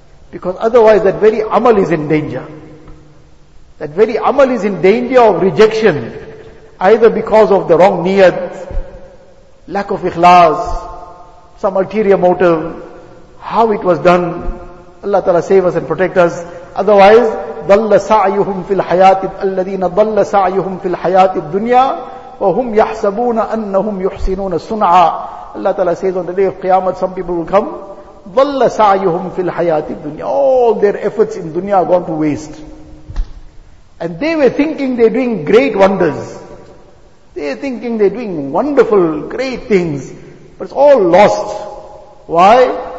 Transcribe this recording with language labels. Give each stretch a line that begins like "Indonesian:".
English: Because otherwise that very amal is in danger. That very amal is in danger of rejection, either because of the wrong niyat, lack of ikhlas, some ulterior motive, how it was done. Allah Ta'ala save us and protect us.
Arabic: Otherwise, ضَلَّ سَعْيُهُمْ فِي الْحَيَاةِ الَّذِينَ ضَلَّ سَعْيُهُمْ فِي الْحَيَاةِ الدُّنْيَا وَهُمْ يَحْسَبُونَ أَنَّهُمْ يُحْسِنُونَ صُنْعًا.
English: Allah Ta'ala says on the day of Qiyamah, some people will come,
Arabic: ضَلَّ سَعْيُهُمْ فِي الْحَيَاةِ الدُّنْيَا.
English: All their efforts in dunya are gone to waste. And they were thinking they're doing great wonders. They're thinking they're doing wonderful, great things, but it's all lost. Why?